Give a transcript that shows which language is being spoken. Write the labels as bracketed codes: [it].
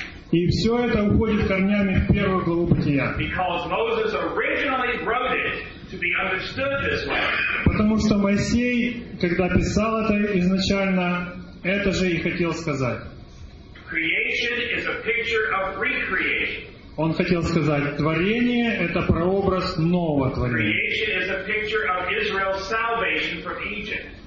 [ru] И все это уходит корнями в первую главу Бытия. [en] Because Moses originally wrote it to be understood this way. [ru] Потому что Моисей, когда писал это изначально, это же и хотел сказать. [en] Creation is a picture of recreation. [ru] Он хотел сказать, творение — это прообраз нового творения. [en] Creation is a picture of Israel's salvation from Egypt.